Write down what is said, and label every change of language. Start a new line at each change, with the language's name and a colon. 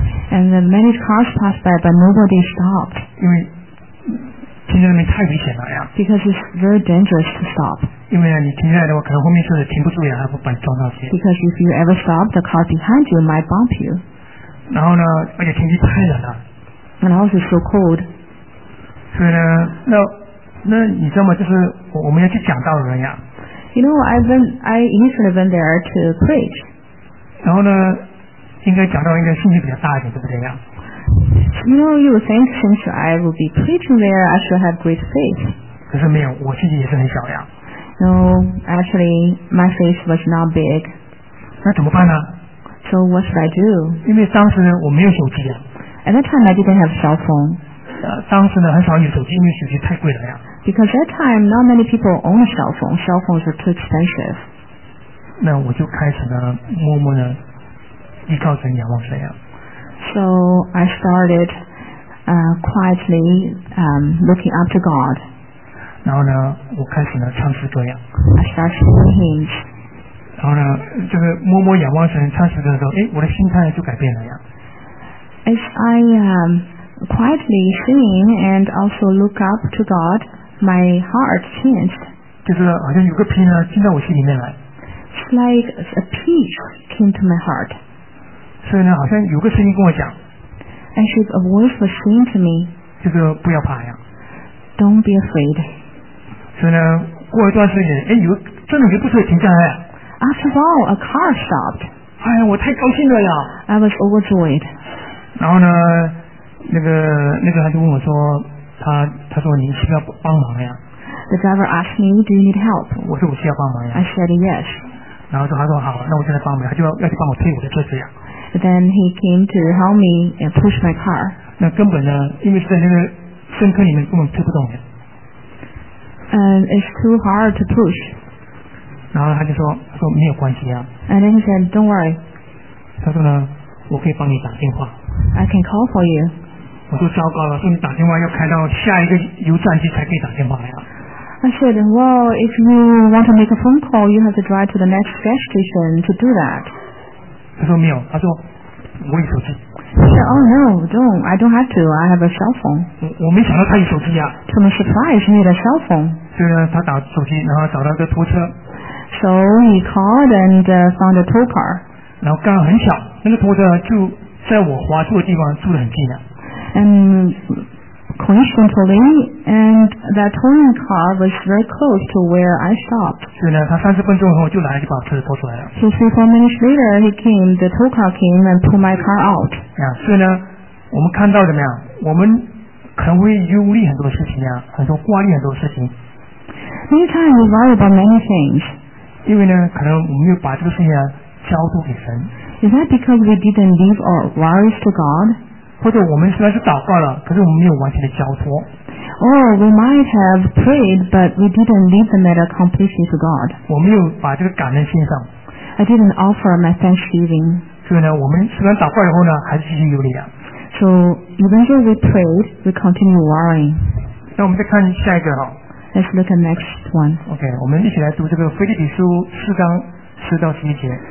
English: And the many cars passed by, but nobody stopped.
Chinese: 因为停在那边太危险了呀。
English: Because it's very dangerous to stop.
Chinese: 因为你停下来的话，可能后面车子停不住呀，还会把你撞到去。
English: Because if you ever stop, the car behind you might bump you.
Chinese: 然后呢，而且天气太冷了。
English: And also so cold.
Chinese: 所以呢，那你知道吗？就是我们要去讲道的人呀。
English: You know, I initially went there to preach.
Chinese: 然后呢，应该讲道应该信心比较大一点，对不对呀？
English: You know, you think since I will be preaching there, I should have great faith.
Chinese: 可是没有，我信心也是很小呀。
English: No, actually, my faith was not big.
Chinese: 那怎么办呢？
English: So what should I do?
Chinese: 因为当时呢，我没有手机啊。
English: At that time, I didn't have cell phone.
Chinese: 当时呢，很少有手机，因为手机太贵了呀。
English: Because at that time, not many people own a cell phone. Cell phones are too expensive.
Chinese: 那我就开始呢，默默的依靠神，仰望神呀。
English: So I started quietly looking up to God.
Chinese: 然后呢，我开始呢唱诗歌呀。
English: I started singing hymns.
Chinese: 然后呢，这个默默仰望神唱诗歌的时候，哎，我的心态就改变了呀。
English: As I quietly singing and also look up to God, my heart changed.
Chinese: 就是好像有个peace进到我心里面来。
English: It's like a peace came to my heart.
Chinese: 所以呢，好像有个声音跟我讲
English: ，Actually, a voice was saying to me，
Chinese: 就是不要怕呀
English: ，Don't be afraid。
Chinese: 所以呢，过一段时间，哎，有真的有部车停下来。
English: After all, a car stopped。
Chinese: 哎呀，我太高兴了呀
English: ！I was overjoyed。
Chinese: 然后呢，那个他就问我说，他说你需要帮忙呀
English: ？The driver asked me, "Do you need help?"
Chinese: 我说我需要帮忙呀。
English: I said yes。
Chinese: 然后他说好，那我现在帮忙，他就要去帮我推我的车子呀。
English: But then he came to help me and push my car.
Chinese: 那根本呢，因为在那个深坑里面根本推不动的。
English: It's too hard to push.
Chinese: 然后他就说没有关系啊。
English: And then he said, "Don't worry."
Chinese: 他说呢，我可以帮你打电话。
English: I can call for you.
Chinese: 我说糟糕了，说你打电话要开到下一个油站去才可以打电话呀。
English: I said, "Well, if you want to make a phone call, you have to drive to the next gas station to do that."
Chinese: 他说没有，他说我有手机。
English: He said, "Oh no, don't. I don't have to. I have a cell phone."
Chinese: 我没想到他有手机呀。
English: To my surprise, he had a cell phone.
Chinese: 所以呢，他打手机，然后找到一个拖车。
English: So he called and found a tow car.
Chinese: 然后刚好很巧，那个拖车就在我滑住的地方住得很近的。
English: Coincidentally, and that towing car was very close to where I stopped.
Chinese: 所以呢，他三十分钟后就来就把车子拖出来了。
English: So 3-4 minutes later, he came. The tow car came and pulled my car out.
Chinese: 呀，所以呢，我们看到怎么样？我们可能会忧虑很多事情呀，很多挂虑很多事情。
English: Many times we worry about many things.
Chinese: 因为呢，可能我们又把这个事情交托给神。
English: Is that because we didn't leave our worries to God?
Chinese: 或者我们虽然是祷告了，可是我们没有完全的交托。
English: Or we might have prayed, but we didn't leave the matter completely to God.
Chinese: 我没有把这个感恩献上。
English: I didn't offer my thanksgiving.
Chinese: 所以呢，我们虽然祷告以后呢，还是继续忧虑啊。
English: So even though we prayed, we continue worrying.
Chinese: 那我们再看下一个哈。
English: Let's look at next one.
Chinese: OK， 我们一起来读这个腓立比书4:10-11。